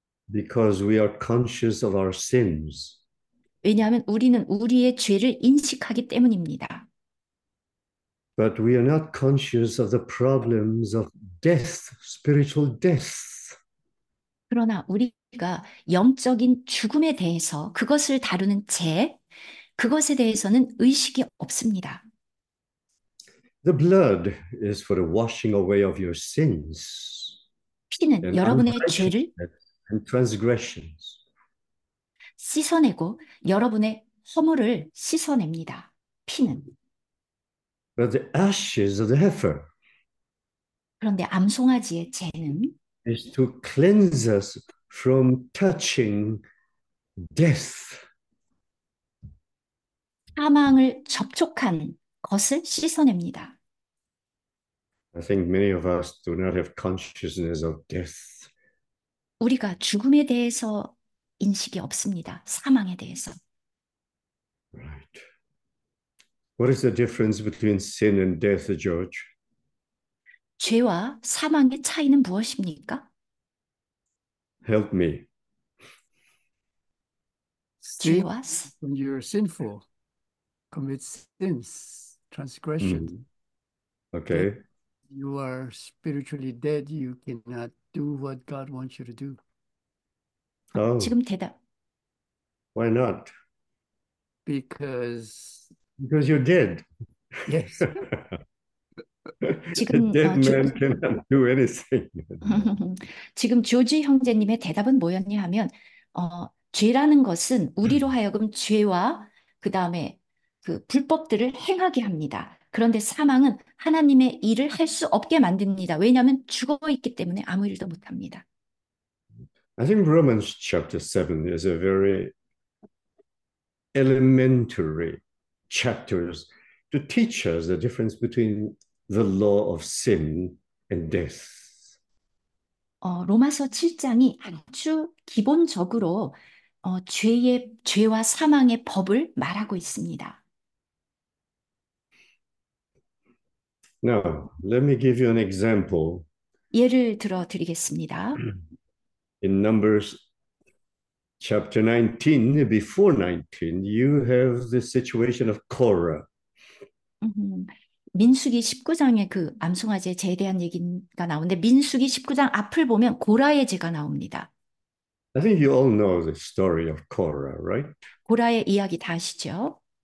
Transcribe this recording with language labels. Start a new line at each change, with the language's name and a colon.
English: Because we are conscious of our sins.
Korean: 왜냐하면 우리는 우리의 죄를 인식하기 때문입니다.
English: But we are not conscious of the problems of death, spiritual death.
Korean: 그러나 우리가 영적인 죽음에 대해서 그것을 다루는 죄, 그것에 대해서는 의식이 없습니다.
English: The blood is for the washing away of your sins
Korean: 피는
English: and
Korean: 여러분의 죄를
English: and transgressions.
Korean: 씻어내고 여러분의 허물을 씻어냅니다. 피는.
English: But the ashes of the heifer
Korean: 그런데 암송아지의 죄는
English: is to cleanse us from touching death.
Korean: 사망을 접촉한 것을 씻어냅니다.
English: I think many of us do not have consciousness of death.
Korean: 우리가 죽음에 대해서 인식이 없습니다. 사망에 대해서.
English: Right. What is the difference between sin and death, George?
Korean: 죄와 사망의 차이는 무엇입니까?
English: Help me. Sin, when you're sinful, commit sins, transgression. Okay. You are spiritually dead. You cannot do what God wants you to do.
Korean: Oh. 지금 대답.
English: Why not? Because you're dead. Yes.
Korean: 지금
English: A dead man cannot do anything.
Korean: 지금 조지 형제님의 대답은 뭐였냐 하면 죄라는 것은 우리로 하여금 죄와 그다음에 그 불법들을 행하게 합니다. 그런데 사망은 하나님의 일을 할 수 없게 만듭니다. 왜냐하면 죽어 있기 때문에 아무 일도 못 합니다.
English: I think Romans chapter 7 is a very elementary chapter to teach us the difference between the law of sin and death.
Korean: 로마서 7장이 아주 기본적으로 죄의 죄와 사망의 법을 말하고 있습니다.
English: Now, let me give you an example.
Korean: 예를 들어 드리겠습니다.
English: In Numbers chapter 19, before 19, you have the situation of Korah.
Korean: 민수기 19장에 그 암송아지의 죄에 대한 얘기가 나오는데 민수기 19장 앞을 보면 고라의 죄가 나옵니다.
English: I think you all know the story of Korah, right?
Korean: 고라의 이야기 다 아시죠?